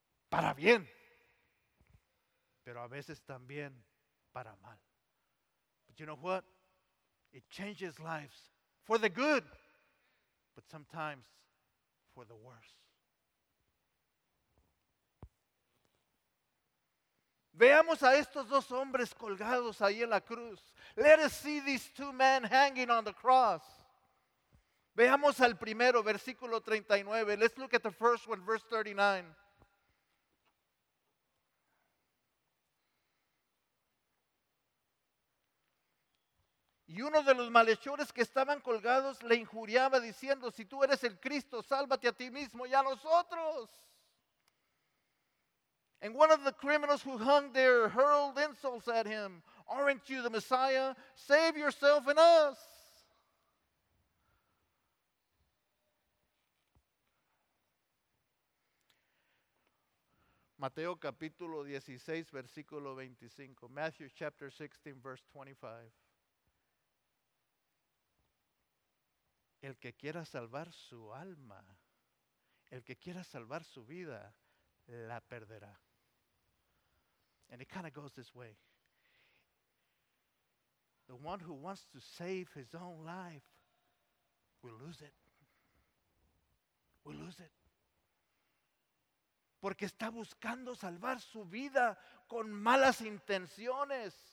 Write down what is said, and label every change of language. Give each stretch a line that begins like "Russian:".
Spanish: Para bien. Pero a veces también para mal.
English: But you know what? It changes lives for the good, but sometimes for the worse.
Spanish: Veamos a estos dos hombres colgados ahí en la cruz.
English: Let us see these two men hanging on the cross.
Spanish: Veamos al primero, versículo 39.
English: Let's look at the first one, verse 39.
Spanish: Y uno de los malhechores que estaban colgados le injuriaba diciendo, si tú eres el Cristo, sálvate a ti mismo y a nosotros.
English: And one of the criminals who hung there hurled insults at him. Aren't you the Messiah? Save yourself and us.
Spanish: Mateo capítulo 16, versículo 25.
English: Matthew chapter 16, verse 25.
Spanish: El que quiera salvar su alma, el que quiera salvar su vida, la perderá.
English: And it kind of goes this way. The one who wants to save his own life will lose it. Will lose it.
Spanish: Porque está buscando salvar su vida con malas intenciones.